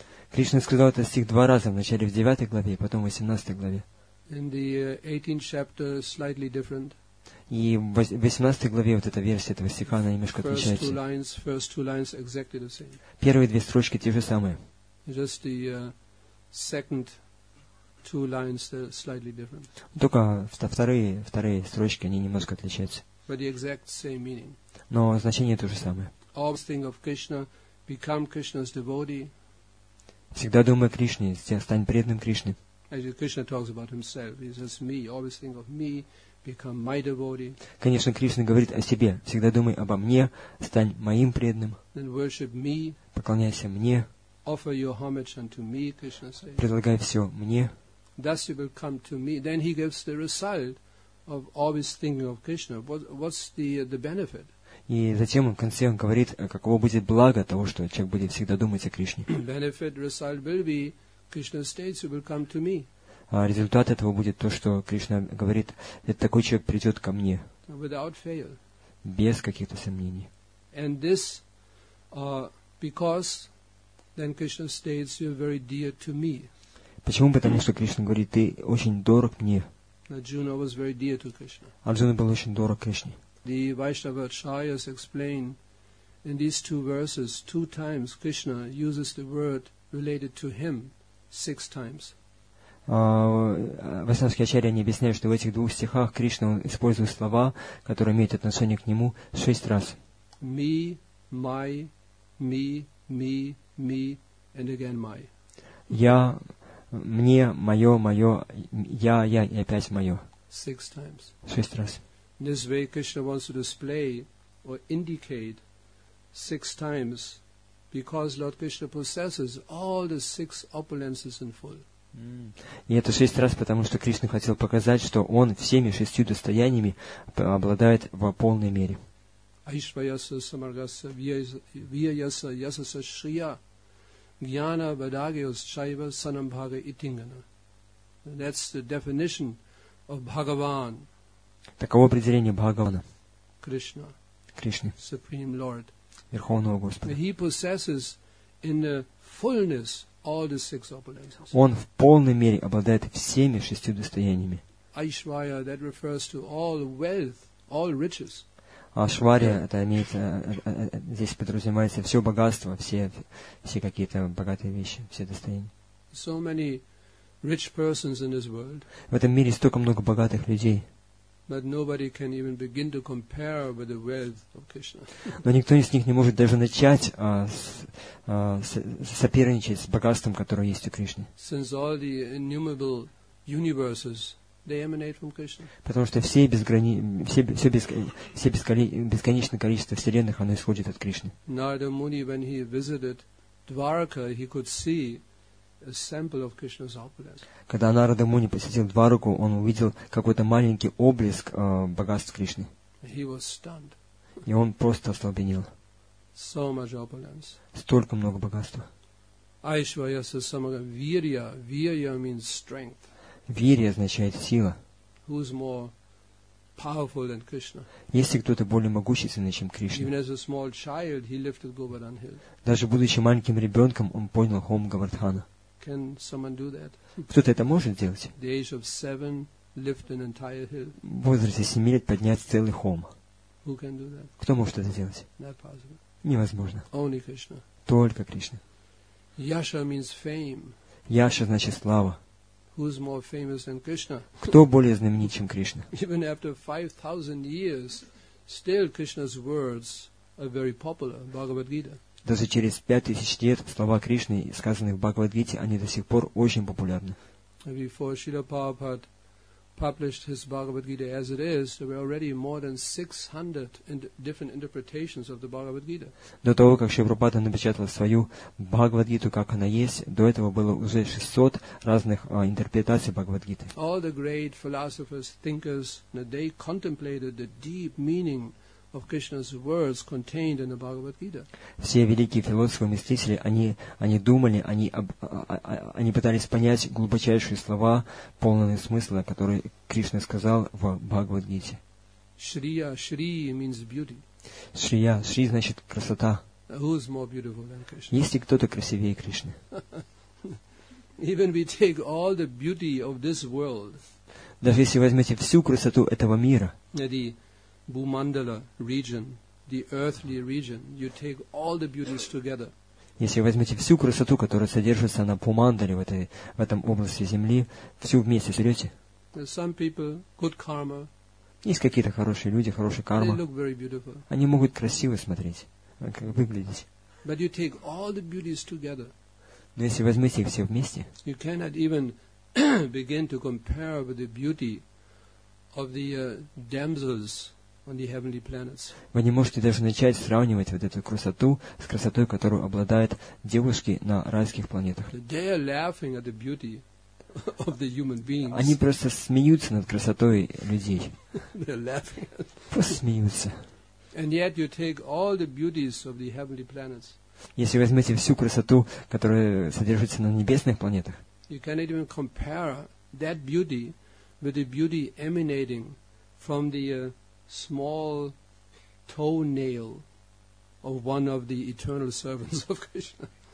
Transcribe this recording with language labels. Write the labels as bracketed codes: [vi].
[ru] Кришна сказал этот стих два раза, вначале в 9 главе, потом в 18 главе. [en] In the 18th chapter, slightly different. [ru] И в 18 главе вот эта версия этого стиха, она немножко отличается. [en] Exactly [ru] первые две строчки те же самые. [en] Just the second two lines, they're slightly different. [ru] Только вторые строчки, они немножко отличаются. [en] But the exact same meaning. [ru] Но значение то же самое. [en] Always think of Krishna, become Krishna's devotee. [ru] Всегда думай о Кришне, стань преданным Кришне. [en] As Krishna talks about himself, he says me, always think of me. Become my devotee. [ru] Конечно, Кришна говорит о себе. Всегда думай обо мне, стань моим преданным. [en] Then worship me. [ru] Поклоняйся мне. [en] Offer your homage unto me, Krishna says. [ru] Предлагай все мне. [en] Thus you will come to me. Then he gives the result of always thinking of Krishna. What's the benefit? [ru] И затем в конце он говорит, каково будет благо того, что человек будет всегда думать о Кришне. [en] Benefit result will be Krishna states you will come to me. [ru] А результат этого будет то, что Кришна говорит, это такой человек придет ко мне. [en] Without fail. [ru] Без каких-то сомнений. [en] And this, because then Krishna states, you're very dear to me. [ru] Почему? Потому что Кришна говорит, ты очень дорог мне. [en] Arjuna was very dear to Krishna. [ru] Арджуна был очень дорог Кришне. [en] The Vaishnava Acharyas explain in these two verses, two times Krishna uses the word related to him, six times. [ru] Вайшнавские ачарьи они объясняют, что в этих двух стихах Кришна использует слова, которые имеют отношение к нему, шесть раз. [en] Me, my, me, me, me, and again my. [ru] Я, мне, мое, мое, я и опять мое. [en] Six times. [ru] Шесть раз. [en] In this way, Krishna wants to display or indicate six times, because Lord Krishna possesses all the six opulences in full. [ru] И это шесть раз, потому что Кришна хотел показать, что Он всеми шестью достояниями обладает в полной мере. [sa] Айшвайаса самаргаса вияяса ясаса шрия гьяна вадагиос чайва санам бхага итингана. [en] That's the definition of Bhagavan. [ru] Таково определение Бхагавана. Кришна. Кришна. [en] Supreme Lord. [ru] Верховного Господа. [en] He possesses in the fullness all the six opulences. [ru] Он в полной мере обладает всеми шестью достояниями. [en] Aishwarya, that refers to all wealth, all riches. [ru] Aishwarya, это имеется, здесь подразумевается все богатство, все какие-то богатые вещи, все достояния. [en] So many rich persons in this world. [ru] В этом мире столько много богатых людей. [en] But nobody can even begin to compare with the wealth of Krishna. [ru] Но никто из них не может даже начать соперничать с богатством, которое есть у Кришны. [en] Since all the innumerable universes, they emanate from Krishna. [ru] Потому что бесконечное количество вселенных, оно исходит от Кришны. [en] Narada Muni, when he visited Dwaraka, he could see a sample of Krishna's opulence. [ru] Когда Нарада Муни посетил Двараку, он увидел какой-то маленький облеск богатств Кришны. [en] He was stunned. [ru] И он просто остолбенел. [en] So much opulence. [ru] Столько много богатства. [sa] Aishvayasa samaga virya. [en] Virya means strength. [ru] Virya означает сила. [en] Who is more powerful than Krishna? [ru] Если кто-то более могущественный, чем Кришна. [en] Even as a small child, he lifted Govardhan Hill. [ru] Даже будучи маленьким ребенком, он поднял холм Говардхана. [en] Can someone do that? [ru] Кто-то это может сделать? [en] The age of seven, lift an entire hill. [ru] В возрасте 7 лет поднять целый холм. [en] Who can do that? [ru] Кто может это сделать? [en] Not possible. [ru] Невозможно. [en] Only Krishna. [ru] Только Кришна. [en] Yasha means fame. [ru] Yasha значит слава. [en] Who's more famous than Krishna? [ru] Кто более знаменит, чем Кришна? [en] Even after 5,000 years, still Krishna's words are very popular, Bhagavad Gita. [ru] Даже через 5000 лет слова Кришны, сказанные в Бхагавад-гите, они до сих пор очень популярны. [en] Before Srila Prabhupada published his Bhagavad Gita as it is, there were already more than 600 different interpretations of the Bhagavad Gita. [ru] До того, как Шрила напечатал свою Бхагавад Гиту, как она есть, до этого было уже 600 разных интерпретаций Бхагавад Гиты. [en] All the great philosophers, thinkers, they contemplated the deep meaning of Krishna's words contained in the Bhagavad Gita. [ru] Все великие философы, мыслители, они думали, они пытались понять глубочайшие слова, полные смысла, которые Кришна сказал в Бхагавад Гите. [en] Shriya, Shri means beauty. [ru] Shriya, Shri значит красота. [en] Who is more beautiful than Krishna? [ru] Есть ли кто-то красивее Кришны? [en] Even we take all the beauty of this world. Даже если возьмете всю красоту этого мира. Bhumandala region, the earthly region, you take all the beauties together. [ru] Если возьмете всю красоту, которая содержится на Бумандале, в этом области земли, всю вместе берете. [en] Some people, good karma. [ru] Есть какие-то хорошие люди, хорошая карма. [en] They look very beautiful. [ru] Они могут красиво смотреть, как выглядеть. [en] But you take all the beauties together. [ru] Но если возьмете их все вместе, [en] you cannot even begin to compare with the beauty of the damsels on the heavenly planets. [ru] Вы не можете даже начать сравнивать вот эту красоту с красотой, которую обладают девушки на райских планетах. [en] They are laughing at the beauty of the human beings. [ru] Они просто смеются над красотой людей. [en] They're laughing. [ru] Просто смеются. [en] And yet you take all the beauties of the heavenly planets. [ru] Если возьмете всю красоту, которая содержится на небесных планетах, [en] you cannot even compare that beauty with the beauty emanating from the small toenail of one of the eternal servants of Krishna.